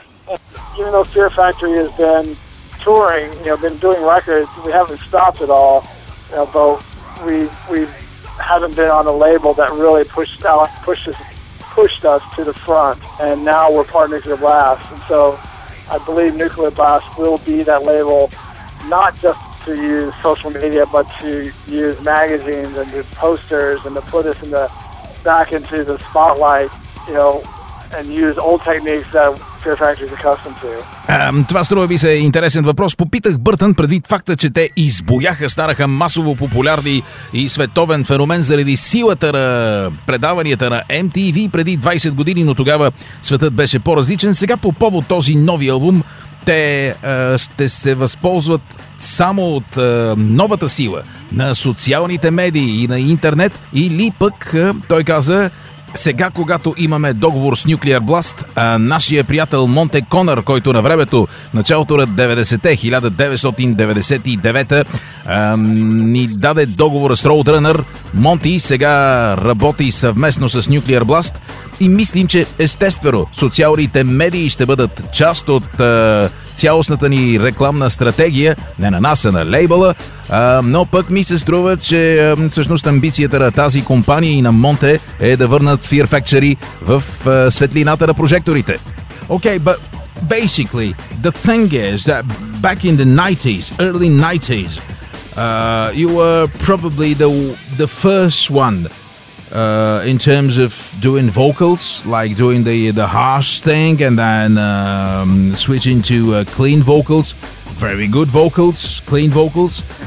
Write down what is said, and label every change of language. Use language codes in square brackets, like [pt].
[en] And even though Fear Factory has been touring, been doing records, we haven't stopped at all, but we haven't been on a label that really pushed us to the front, and now we're part of Nuclear Blast, and so I believe Nuclear Blast will be that label, not just to use social media, but to use magazines and do posters and to put us back into the spotlight, and use old techniques that Fear Factory is accustomed to. [bg] Това струва ми се интересен въпрос. Попитах Бъртън предвид факта, че те избояха, станаха масово популярни и световен феномен заради силата на предаванията на MTV преди 20 години, но тогава светът беше по-различен. Сега по повод този нови албум, те ще се възползват само от новата сила на социалните медии и на интернет, или пък, той каза, сега, когато имаме договор с Nuclear Blast, нашия приятел Монте Конър, който на времето, началото на 90-те, 1999-та, ни даде договор с Roadrunner, Монти сега работи съвместно с Nuclear Blast и мислим, че естествено социалните медии ще бъдат част от цялостната ни рекламна стратегия, не на нас, а на лейбъла, но пък ми се струва, че всъщност амбицията на тази компания и на Монте е да върнат Fear Factory в светлината на прожекторите. [en] Okay, but basically, the thing is that back in the 90s, early 90s, you were probably the first one in terms of doing vocals, like doing the harsh thing and then switching to clean vocals, very good vocals, clean vocals.